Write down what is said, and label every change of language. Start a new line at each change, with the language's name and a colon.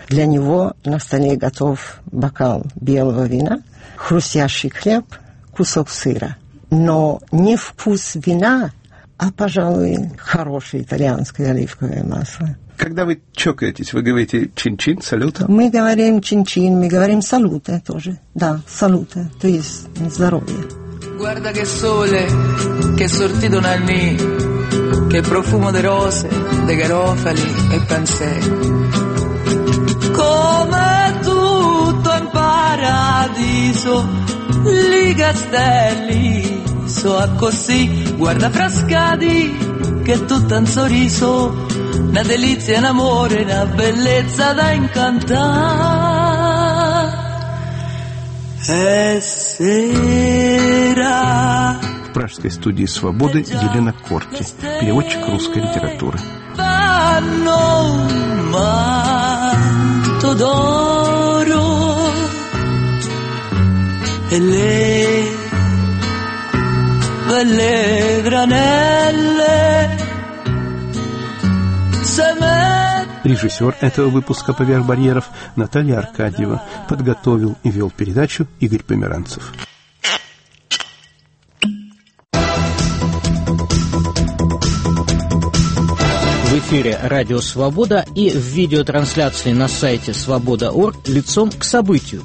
Russian: Для него на столе готов бокал белого вина, хрустящий хлеб, кусок сыра. Но не вкус вина, а, пожалуй, хорошее итальянское оливковое масло. Когда вы чокаетесь, вы говорите «чин-чин», «салют»? Мы говорим «чин-чин», мы говорим «салюте» тоже. Да, «салюте», то есть «здоровье».
Italian: Guarda che sole, che sortito nel mi, che profumo de rose, de garofali e pensè. Come tutto in paradiso, li castelli so così. Guarda Frascati, che tutto un sorriso, una delizia, un amore, una bellezza da incantare. È sera.
Russian: В пражской студии «Свободы» Елена Корти, переводчик русской литературы.
Italian: Vanno un manto d'oro e le belle granelle.
Russian: Режиссер этого выпуска «Поверх барьеров» Наталья Аркадьева. Подготовил и вел передачу Игорь Померанцев. В эфире «Радио Свобода» и в видеотрансляции на сайте «Свобода.орг» лицом к событию.